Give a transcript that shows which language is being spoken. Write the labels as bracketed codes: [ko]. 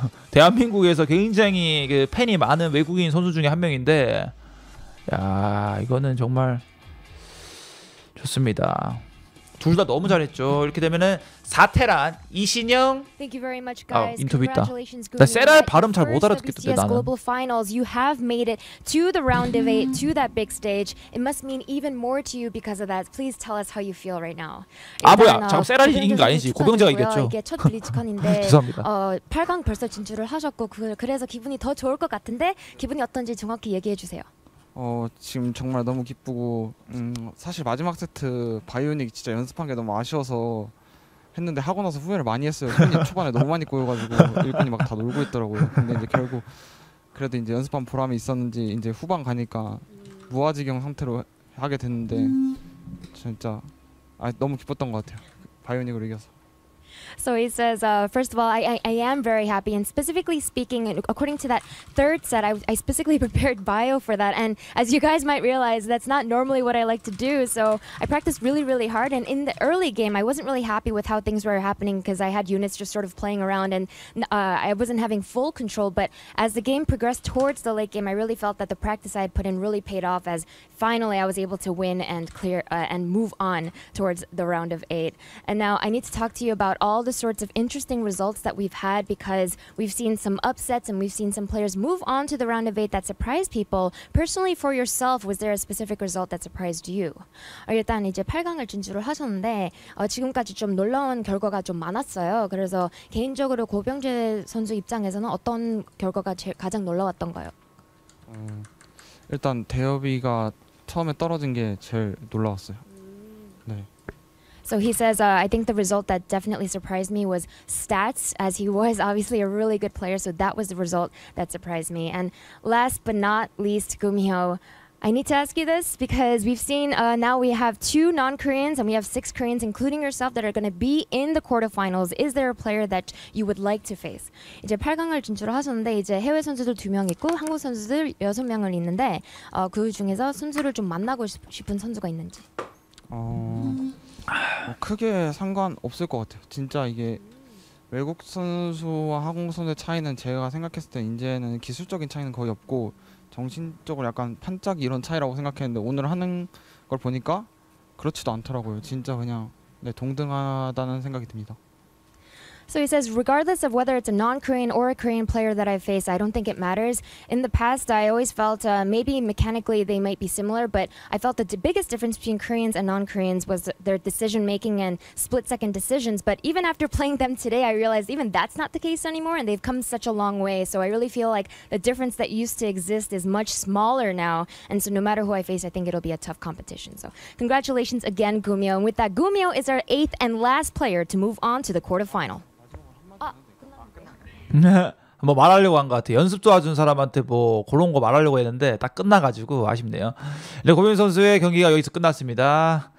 [ko] 대한민국에서 굉장히 그 팬이 많은 외국인 선수 중에 한 명인데. 야, 이거는 정말 좋습니다. 둘 다 너무 잘했죠. 이렇게 되면은 사태란 이신영. [en] Thank you very much, guys. [ko] 아, 인터뷰 있다. 나 세라의 발음 잘 못 알아듣겠던데 나는. [en] Global finals, you have made it to the round of eight, to that big stage. It must mean even more to you because of that. Please tell us how you feel right now. [ko] 아 뭐야? 잠깐 세라이 이긴 거 아니지? 고병재가 이겼죠. 이게 첫 블리즈컨인데. 죄송합니다. 8강 벌써 진출을 하셨고 그래서 기분이 더 좋을 것 같은데 기분이 어떤지 정확히 얘기해 주세요. 지금 정말 너무 기쁘고 사실 마지막 세트 바이오닉 진짜 연습한 게 너무 아쉬워서 했는데 하고 나서 후회를 많이 했어요. 형님 초반에 너무 많이 꼬여가지고 일꾼이 막 다 놀고 있더라고요. 근데 이제 결국 그래도 이제 연습한 보람이 있었는지 이제 후반 가니까 무아지경 상태로 하게 됐는데 진짜 너무 기뻤던 것 같아요. 바이오닉으로 이겨서. [en] So he says, first of all, I am very happy. And specifically speaking, according to that third set, I specifically prepared bio for that. And as you guys might realize, that's not normally what I like to do. So I practiced really, really hard. And in the early game, I wasn't really happy with how things were happening because I had units just sort of playing around and I wasn't having full control. But as the game progressed towards the late game, I really felt that the practice I had put in really paid off as finally I was able to win and clear and move on towards the round of eight. And now I need to talk to you about all the sorts of interesting results that we've had because we've seen some upsets and we've seen some players move on to the round of eight that surprised people. Personally, for yourself, was there a specific result that surprised you? [ko] 일단 이제 8강을 진출을 하셨는데 지금까지 좀 놀라운 결과가 좀 많았어요. 그래서 개인적으로 고병재 선수 입장에서는 어떤 결과가 가장 놀라웠던가요? 일단 대여비가 처음에 떨어진 게 제일 놀라웠어요. [en] So he says, I think the result that definitely surprised me was stats, as he was obviously a really good player, so that was the result that surprised me. And last but not least, Gumiho, I need to ask you this because we've seen now we have two non-Koreans and we have six Koreans, including yourself, that are going to be in the quarterfinals. Is there a player that you would like to face? [ko] 이제 8강을 진출을 하셨는데 이제 해외 선수들 두 명 있고 한국 선수들 여섯 명을 있는데 그 중에서 선수를 좀 만나고 싶은 선수가 있는지. 크게 상관없을 것 같아요. 진짜 이게 외국 선수와 한국 선수의 차이는 제가 생각했을 때 이제는 기술적인 차이는 거의 없고 정신적으로 약간 판짝이 이런 차이라고 생각했는데 오늘 하는 걸 보니까 그렇지도 않더라고요. 진짜 그냥 네, 동등하다는 생각이 듭니다. [en] So he says, regardless of whether it's a non-Korean or a Korean player that I face, I don't think it matters. In the past, I always felt maybe mechanically they might be similar, but I felt the biggest difference between Koreans and non-Koreans was their decision-making and split-second decisions. But even after playing them today, I realized even that's not the case anymore, and they've come such a long way. So I really feel like the difference that used to exist is much smaller now. And so no matter who I face, I think it'll be a tough competition. So congratulations again, Gumiho. And with that, Gumiho is our eighth and last player to move on to the quarterfinal. [ko] 뭐 말하려고 한 것 같아. 연습 도와준 사람한테 뭐 그런 거 말하려고 했는데 딱 끝나가지고 아쉽네요. 고병 선수의 경기가 여기서 끝났습니다.